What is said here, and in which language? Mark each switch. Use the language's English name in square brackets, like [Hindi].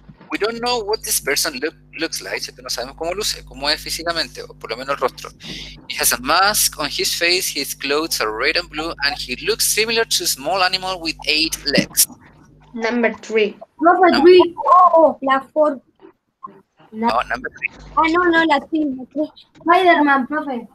[English] We don't know what this person looks like. [Spanish] ¿Cierto? No sabemos cómo luce, cómo es físicamente, o por lo menos el rostro. [English] He has a mask on his face, his clothes are red and blue, and he looks similar to a small animal with eight legs. number three. Number three. Oh, la four. La No, number three. [Spanish] Ah, no, no, la cinco. Spider-Man, profe.